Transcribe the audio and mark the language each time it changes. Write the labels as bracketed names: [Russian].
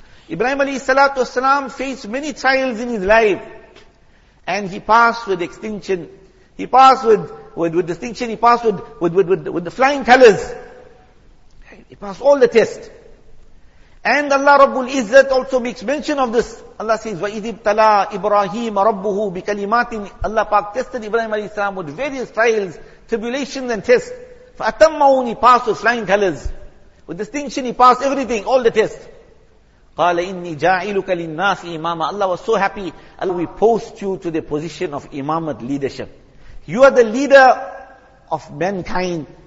[English] Ibrahim alayhi salatu wasalam faced many trials in his life, and he passed with extinction. He passed with distinction. He passed with the flying colors. He passed all the tests. And Allah Rabbul Izzat also makes mention of this. Allah says, [Arabic] وَإِذِ ابْتَلَىٰ إِبْرَاهِيمَ رَبُّهُ بِكَلِمَاتٍ. [English] Allah Pak tested Ibrahim alayhi salam with various trials, tribulations and tests. [Arabic] فَأَتَمَّهُونَ. [English] He passed with flying colors. With distinction, he passed everything, all the tests. [Arabic] قَالَ إِنِّي جَاعِلُكَ لِلنَّاسِ إِمَامًا. [English] Allah was so happy. Allah, we post you to the position of imamat, leadership. You are the leader of mankind.